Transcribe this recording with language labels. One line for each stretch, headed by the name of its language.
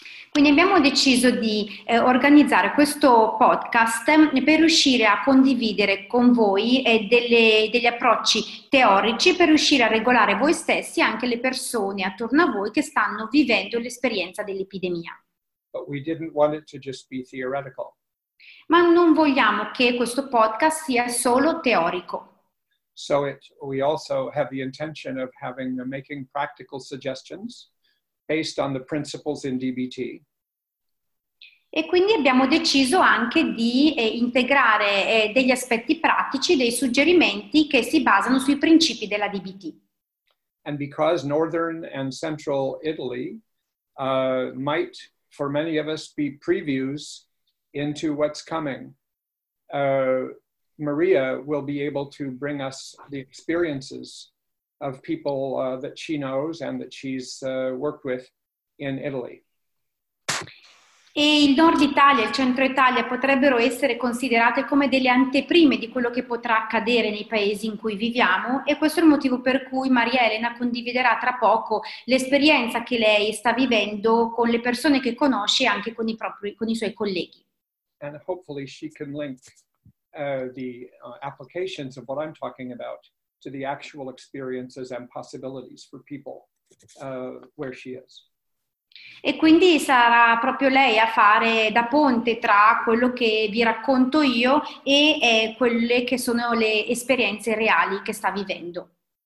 Italian: Quindi abbiamo deciso di organizzare questo podcast per riuscire a condividere con voi degli approcci teorici per riuscire a regolare voi stessi e anche le persone attorno a voi che stanno vivendo l'esperienza dell'epidemia.
English: But we didn't want it to just be theoretical.
Italian: Ma non vogliamo che questo podcast sia solo teorico.
English: So we also have the intention of making practical suggestions based on the principles in DBT.
Italian: E quindi abbiamo deciso anche di integrare degli aspetti pratici, dei suggerimenti che si basano sui principi della DBT.
English: And because Northern and Central Italy might, for many of us, be previews into what's coming, Maria will be able to bring us the experiences of people that she knows and that she's worked with in Italy.
Italian: E il Nord Italia e il Centro Italia potrebbero essere considerate come delle anteprime di quello che potrà accadere nei paesi in cui viviamo, e questo è il motivo per cui Maria Elena condividerà tra poco l'esperienza che lei sta vivendo con le persone che conosce e anche con i suoi colleghi.
English: And hopefully she can link applications of what I'm talking about to the actual experiences and possibilities for people where she is.
Italian: E quindi sarà proprio lei a fare da ponte tra quello che vi racconto io e quelle che sono le esperienze reali che sta vivendo.